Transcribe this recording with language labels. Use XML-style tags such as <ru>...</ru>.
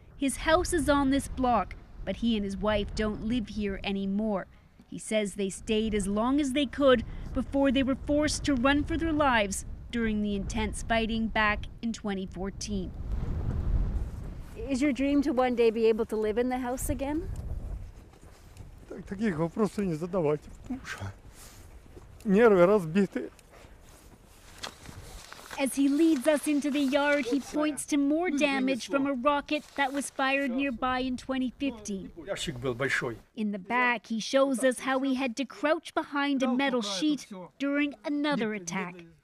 <en>His house is on this block, but he and his wife don't live here anymore. He says they stayed as long as they could before they were forced to run for their lives during the intense fighting back in 2014. Is your dream to one day be able to live in the house again?</en> <ru>Таких вопросов не задавайте, потому что нервы разбиты.</ru> <en>As he leads us into the yard, he points to more damage from a rocket that was fired nearby in 2015. In the back, he shows us how he had to crouch behind a metal sheet during another attack.</en>